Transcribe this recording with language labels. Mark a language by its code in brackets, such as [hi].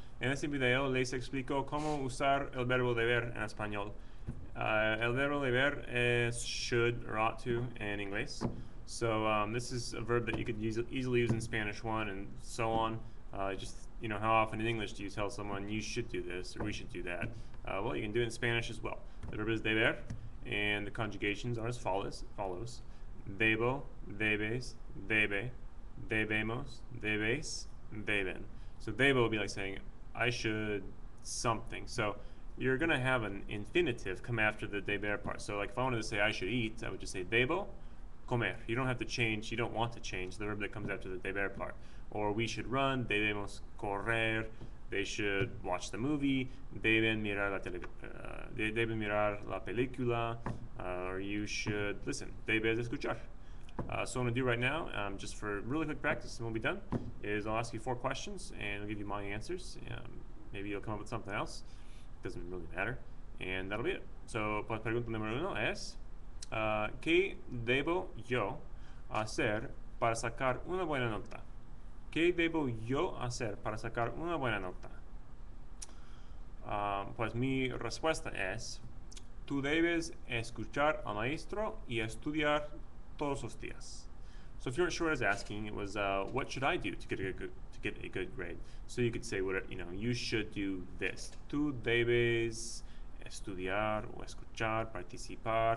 [es] En este video les explico cómo usar el verbo deber en español. El verbo deber es [en] should or ought to [es] en inglés. [en] This is a verb that you could easily use in Spanish one and so on. How often in English do you tell someone you should do this or we should do that? You can do it in Spanish as well. The verb is deber, and the conjugations are as follows. [es] Debo, debes, debe. Debemos, debes, deben. [en] So debo will be like saying, I should something. So you're going to have an infinitive come after the deber part. So like if I wanted to say I should eat, I would just say [es] debo comer. [en] You don't have to change, you don't want to change the verb that comes after the deber part. Or we should run, [es] debemos correr. [en] They should watch the movie, [es] deben mirar la película. [en] Or you should listen, [es] debes escuchar. [en] So what I'm going to do right now, just for really quick practice, and we'll be done, is I'll ask you four questions, and I'll give you my answers. Maybe you'll come up with something else. Doesn't really matter. And that'll be it. [es] So, pregunta número uno es, ¿qué debo yo hacer para sacar una buena nota? ¿Qué debo yo hacer para sacar una buena nota? Pues mi respuesta es, tú debes escuchar al maestro y estudiar todos los días. [en] So if you weren't sure what I was asking, it was, what should I do to get a good grade? So you could say, you should do this. [es] Tú debes estudiar o escuchar, participar.